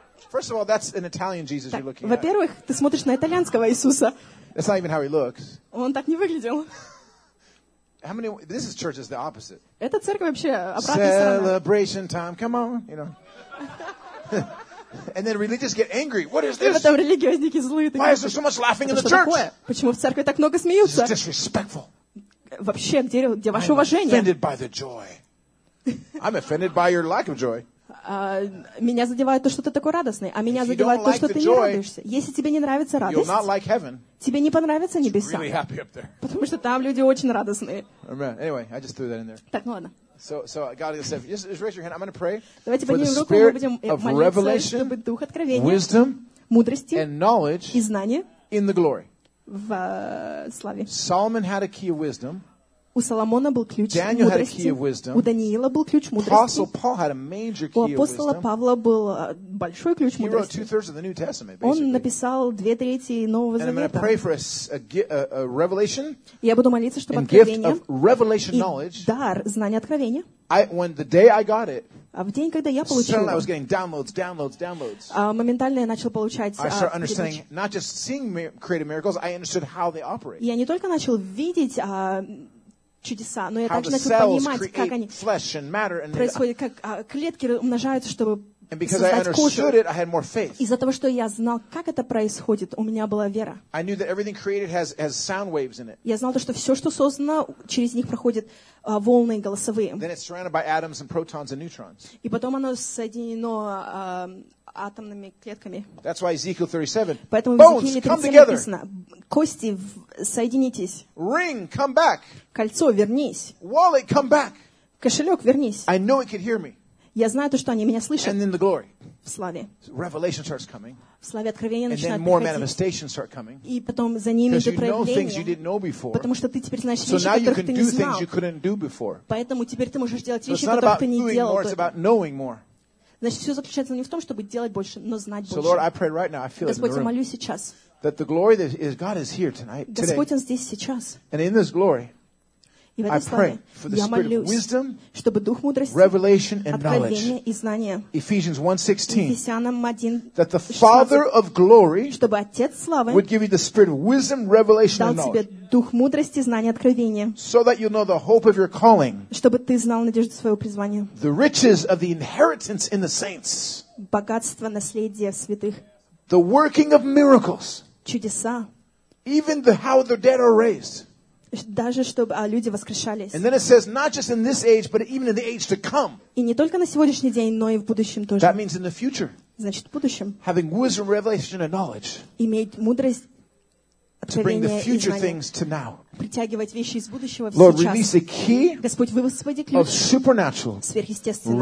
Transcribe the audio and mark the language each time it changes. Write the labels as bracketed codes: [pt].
[en] First of all, that's an Italian Jesus you're looking at. [ru] Во-первых, ты смотришь на итальянского Иисуса. [en] That's not even how he looks. [ru] Он так не выглядел. [en] How many? This is church is the opposite. [ru] Эта церковь вообще обратная. [en] Celebration time, come on, you know. And then religious get angry. What is this? [ru] Там религиозники злые. [en] Why is there so much laughing in the church? [ru] Почему в церкви так много смеются? [en] This is disrespectful. [ru] Вообще, где ваше уважение? [en] I'm offended by the joy. I'm offended by your lack of joy. [ru] Меня задевает то, что ты такой радостный, а меня задевает то, что ты не радуешься. Если тебе не нравится радость, тебе не понравятся небеса, потому что там люди очень радостные. [en] Anyway, I just threw that in there. [ru] Так, ну ладно. [en] So God has said, just raise your hand. I'm going to pray. [ru] Давайте поднимем руку, мы будем молиться, чтобы дух откровения, [en] wisdom, [ru] мудрости [en] and knowledge [ru] и знания [en] in the glory. [ru] В славе. [en] Solomon had a key of wisdom. [ru] У Соломона был ключ [en] Daniel [ru] мудрости. [en] Had a key of wisdom. [ru] У Даниила был ключ мудрости. [en] Paul had a major key [ru] у апостола Павла был большой ключ [en] he [ru] мудрости. [en] Wrote two-thirds of the New Testament, basically. [ru] Он написал две трети Нового [en] and [ru] Завета. [en] I'm going to pray for a revelation [ru] я буду молиться, чтобы [en] and [ru] откровение [en] gift of revelation knowledge, [ru] и дар знания откровения. [en] When the day I got it, [ru] а в день, когда я получил [en] suddenly I was getting downloads. [ru] Моментально я начал получать [en] I started understanding передачи. Not just seeing creative miracles, I understood how they operate. [ru] Я не только начал видеть чудеса, но я также начал понимать, как они происходят, как клетки умножаются, чтобы создать кожу. [en] It, I had more faith. [ru] Из-за того, что я знал, как это происходит, у меня была вера. [en] I knew that everything created has sound waves in it. [ru] Я знал то, что все, что создано, через них проходят волны голосовые. [en] Then it's surrounded by atoms and protons and neutrons. [ru] И потом оно соединено атомными клетками. [en] That's why Ezekiel 37. [ru] Поэтому [en] bones, [ru] в Езекииле 37 написано: кости, соединитесь. [en] Ring, come back. [ru] Кольцо, вернись. [en] Wallet, come back. [ru] Кошелек, вернись. [en] I know it could hear me. [ru] Я знаю то, что они меня слышат. [en] And then the glory. [ru] В славе. [en] Revelation starts coming. [ru] В славе откровение [en] and [ru] начинает [en] then more manifestations start coming. [ru] И потом за ними же проявление. [en] Know things you didn't know before. [ru] Потому что ты теперь знаешь [en] so [ru] вещи, которых ты не знал. [en] Things you couldn't do before. [ru] Поэтому теперь ты можешь делать вещи, [en] so it's not [ru] которых [en] about [ru] ты не [en] doing [ru] делал. [en] More, it's about knowing more. [ru] Значит, все заключается не в том, чтобы делать больше, но знать больше. [en] So Lord, I pray right now. I feel [ru] Господь, я молюсь сейчас. [en] That the glory that is God is here tonight. Today. [ru] Господь, Он здесь сейчас. [en] And in this glory, [ru] и в этой славе, [en] I pray for the [ru] я молюсь, [en] wisdom, [ru] чтобы дух мудрости, [en] revelation and [ru] откровение и знание. [en] Ephesians 1:16. [ru] Ефесянам 1, [en] that the Father of glory, [ru] чтобы Отец славы, [en] would give you the spirit of wisdom, revelation and knowledge. [ru] Дал тебе дух мудрости, знание, откровение. [en] So that you know the hope of your calling. [ru] Чтобы ты знал надежду своего призвания. [en] The riches of the inheritance in the saints. [ru] Богатство наследия святых. [en] The working of miracles. [ru] Чудеса. [en] Even the how the dead are raised. [ru] Даже чтобы люди воскрешались. [en] And then it says not just in this age, but even in the age to come. [ru] И не только на сегодняшний день, но и в будущем тоже. [en] That means in the future. [ru] Значит, в будущем. [en] Having wisdom, revelation, and knowledge. [ru] Иметь мудрость, откровение и знание. [en] To bring the future things to now. [ru] Притягивать вещи из будущего в [en] Lord, [ru] сейчас. [en] Release a key. [ru] Господь, высвободи ключ. [en] Of supernatural. [ru] Сверхъестественного.